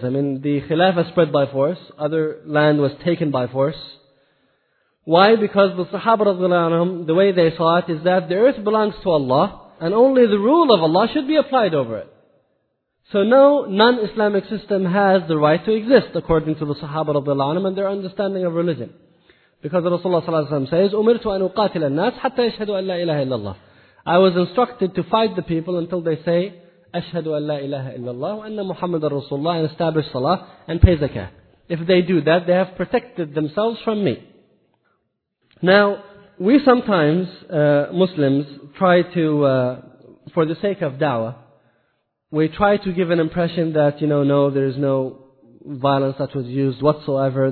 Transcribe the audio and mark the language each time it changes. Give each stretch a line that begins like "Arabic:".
English: I mean, the Khilafah spread by force. Other land was taken by force. Why? Because the Sahaba radiallahu anhum, the way they saw it is that the earth belongs to Allah and only the rule of Allah should be applied over it. So no non-Islamic system has the right to exist according to the Sahaba radiallahu anhum and their understanding of religion.
Arabic: Because Rasulullah sallallahu alayhi wa sallam says, أُمِرْتُ أَنْ أُقَاتِلَ النَّاسِ حَتَّى يَشْهَدُوا أَنْ لَا إِلَهَ إِلَّا اللَّهِ.
English: I was instructed to fight the people until they say,
Arabic: أَشْهَدُوا أَنْ لَا إِلَهَ إِلَّا اللَّهُ وَأَنَّ مُحَمَّدَ رَسُولُ اللَّهِ
English: and establish salah and pay zakah. If they do that, they have protected themselves from me. Now, we sometimes, Muslims, try to, for the sake of da'wah, we try to give an impression that, you know, no, there is no violence that was used whatsoever.